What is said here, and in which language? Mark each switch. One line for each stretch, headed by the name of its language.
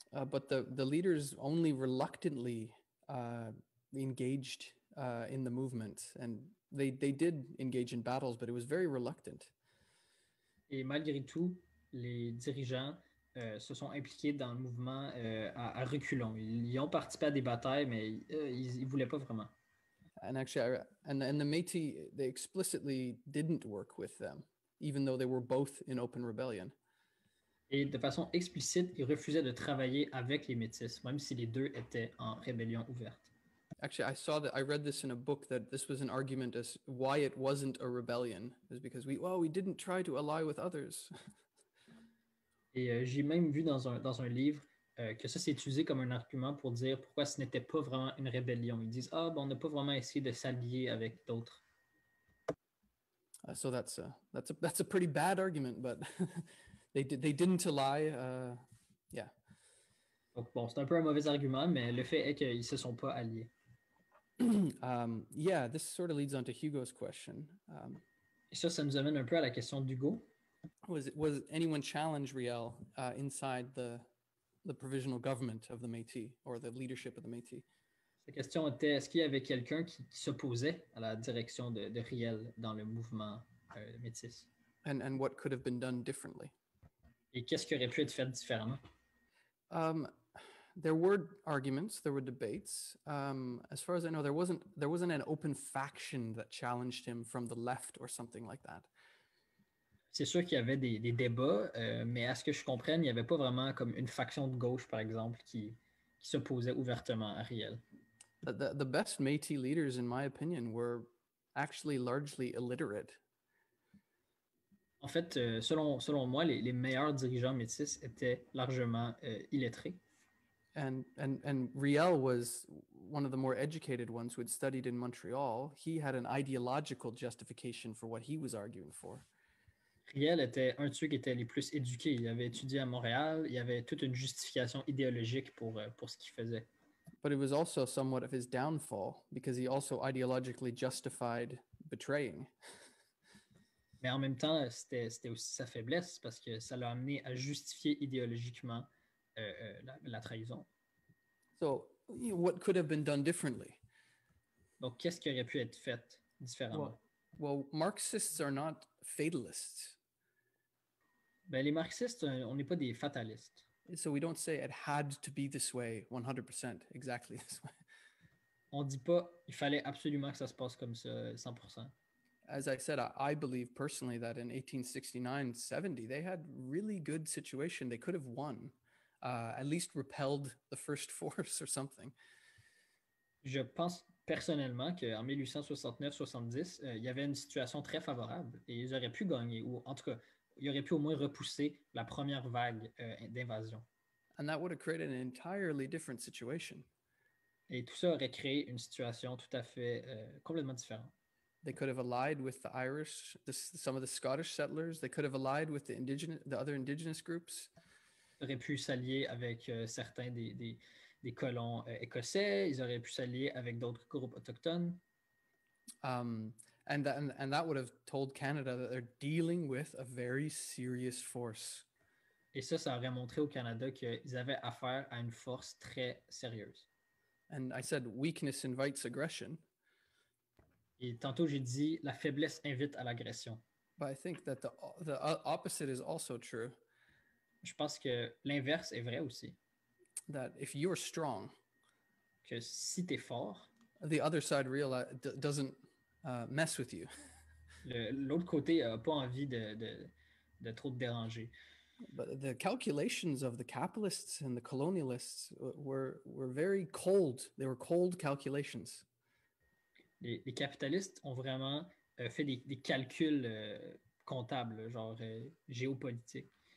English: But the leaders only reluctantly engaged in the movement, and they did engage in battles, but it was very reluctant.
French: Et malgré tout, les dirigeants se sont impliqués dans le mouvement à reculons. Ils y ont participé à des batailles, mais ils voulaient pas vraiment.
English: And actually, and the Métis, they explicitly didn't work with them, even though they were both in open rebellion.
French: Et de façon explicite, ils refusaient de travailler avec les Métis, même si les deux étaient en rébellion ouverte.
English: Actually, I read this in a book that this was an argument as why it wasn't a rebellion, is because we didn't try to ally with others.
French: Et j'ai même vu dans un livre que ça s'est utilisé comme un argument pour dire pourquoi ce n'était pas vraiment une rébellion. Ils disent on n'a pas vraiment essayé de s'allier avec d'autres.
English: So that's a pretty bad argument, but they didn't ally. Yeah.
French: Donc, bon, c'est un peu un mauvais argument, mais le fait est qu'ils se sont pas alliés.
English: yeah, this sort of leads on to Hugo's question.
French: Et ça nous amène un peu à la question d'Hugo.
English: Was anyone challenge Riel inside the provisional government of the Métis or the leadership of the Métis?
French: La question était, est-ce qu'il y avait quelqu'un qui s'opposait à la direction de Riel dans le mouvement métis?
English: And what could have been done differently?
French: Et qu'est-ce qui aurait pu être fait différemment?
English: There were arguments, there were debates. As far as I know, there wasn't an open faction that challenged him from the left or something like that.
French: C'est sûr qu'il y avait des débats, mais à ce que je comprenne, il n'y avait pas vraiment comme une faction de gauche, par exemple, qui s'opposait ouvertement à Riel.
English: The best Métis leaders, in my opinion, were actually largely illiterate.
French: En fait, selon moi, les meilleurs dirigeants métis étaient largement illettrés.
English: And Riel was one of the more educated ones who had studied in Montreal. He had an ideological justification for what he was arguing for.
French: Riel était un de ceux qui étaient les plus éduqués. Il avait étudié à Montréal. Il avait toute une justification idéologique pour ce qu'il faisait.
English: But it was also somewhat of his downfall because he also ideologically justified betraying.
French: Mais en même temps, c'était aussi sa faiblesse parce que ça l'a amené à justifier idéologiquement la trahison.
English: So, what could have been done differently?
French: Donc, qu'est-ce qui aurait pu être fait différemment?
English: Well, Marxists are not fatalists.
French: Ben, les marxistes, on n'est pas des fatalistes.
English: So we don't say it had to be this way, 100%, exactly this way.
French: On dit pas, il fallait absolument que ça se passe comme ça, 100%.
English: As I said, I believe personally that in 1869-70, they had really good situation. They could have won, at least repelled the first force or something.
French: Je pense personnellement qu'en 1869-70, il y avait une situation très favorable et ils auraient pu gagner, ou en tout cas, il aurait pu au moins repousser la première vague d'invasion.
English: And that would have created an entirely different situation.
French: Et tout ça aurait créé une situation tout à fait complètement différente.
English: They could have allied with the Irish, some of the Scottish settlers. They could have allied with the other indigenous groups.
French: Ils auraient pu s'allier avec certains des colons écossais. Ils auraient pu s'allier avec d'autres groupes autochtones.
English: And that would have told Canada that they're dealing with a very serious force.
French: Et ça aurait montré au Canada qu'ils avaient affaire à une force très sérieuse.
English: And I said weakness invites aggression.
French: Et tantôt j'ai dit la faiblesse invite à l'agression.
English: But I think that the opposite is also true.
French: Je pense que l'inverse est vrai aussi.
English: That if you're strong,
French: que si t'es fort,
English: the other side doesn't mess with you.
French: L'autre côté a pas envie de trop te déranger.
English: But the calculations of the capitalists and the colonialists were very cold. They were cold calculations.
French: Les capitalistes ont vraiment fait des calculs comptables, genre géopolitiques.